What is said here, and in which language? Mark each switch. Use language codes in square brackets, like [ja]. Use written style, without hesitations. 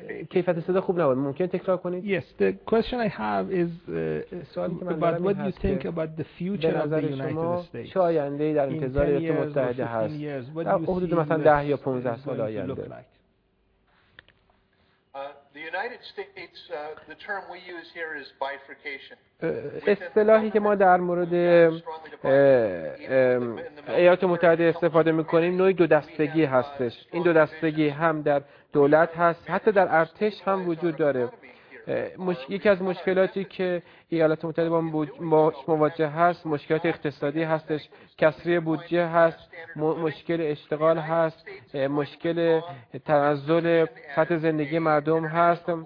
[fa] کیفیت صدا خوب نبود، ممکن تکرار کنید؟ [en] Yes, the question I have is about what you think about the future of the United States. [fa] چه آینده‌ای در انتظار ایالات متحده هست؟ در حدود مثلا 10 یا 15 سال آینده. [en] The United States, the term we use here is bifurcation. [fa] اصطلاحی که ما در مورد ایالات متحده استفاده می‌کنیم نوعی دو دستگی هستش. این دو دستگی هم در دولت هست، حتی در ارتش هم وجود داره. یکی از مشکلاتی که ایالات متحده با مواجه هست مشکلات اقتصادی هستش، کسری بودجه هست، مشکل اشتغال هست، مشکل تنزل سطح زندگی مردم هست.